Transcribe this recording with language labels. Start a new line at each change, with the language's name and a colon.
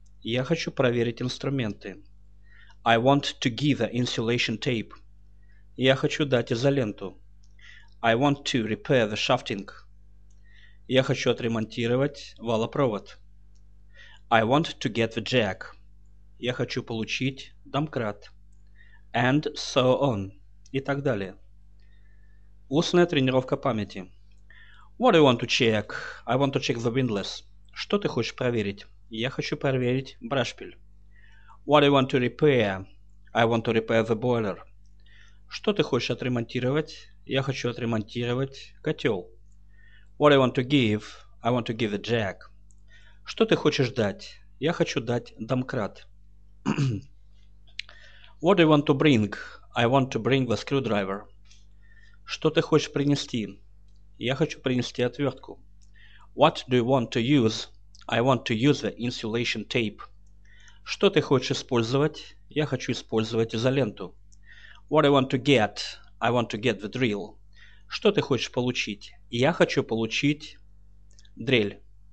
Russian: Я хочу проверить инструменты.
English: I want to give the insulation tape.
Russian: Я хочу дать изоленту.
English: I want to repair the shafting.
Russian: Я хочу отремонтировать валопровод.
English: I want to get the jack.
Russian: Я хочу получить домкрат.
English: And so on.
Russian: И так далее. Устная тренировка памяти.
English: What do you want to check? I want to check the windlass.
Russian: Что ты хочешь проверить? Я хочу проверить брашпиль.
English: What do you want to repair? I want to repair the boiler.
Russian: Что ты хочешь отремонтировать? Я хочу отремонтировать котел.
English: What do you want to give? I want to give the jack.
Russian: Что ты хочешь дать? Я хочу дать домкрат.
English: What do you want to bring? I want to bring the screwdriver.
Russian: Что ты хочешь принести? Я хочу принести отвертку.
English: What do you want to use? I want to use the insulation tape.
Russian: Что ты хочешь использовать? Я хочу использовать изоленту.
English: What do you want to get? I want to get the drill.
Russian: Что ты хочешь получить? Я хочу получить дрель.